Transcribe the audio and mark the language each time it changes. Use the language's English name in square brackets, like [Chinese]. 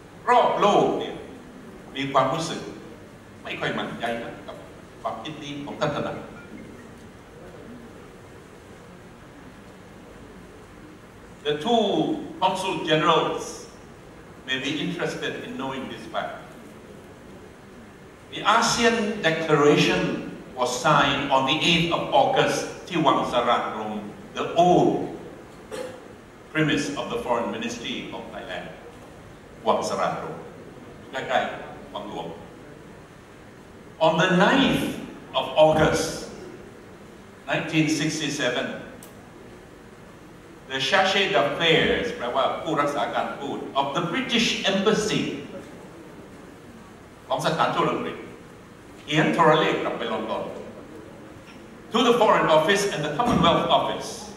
[Thai] รอบโลกเนี่ยมีความรู้สึกไม่ค่อยมั่นใจกับความคิดนี้ของท่านนะ [English] The two consul generals may be interested in knowing this fact. The ASEAN Declaration was signed on the 8th of August, Tiwang Sarangrong, the old premise of the Foreign Ministry of Thailand, Wang Sarangrong, Kakai Wang Luang. On the 9th of August, 1967,The Chargé d'Affaires, [Thai] แปลว่าผู้รักษาการทูต [English] of the British Embassy [Thai] ของสถานทูตอังกฤษเขียนโทรเลขกลับไปลอนดอน [English] to the Foreign Office and the Commonwealth Office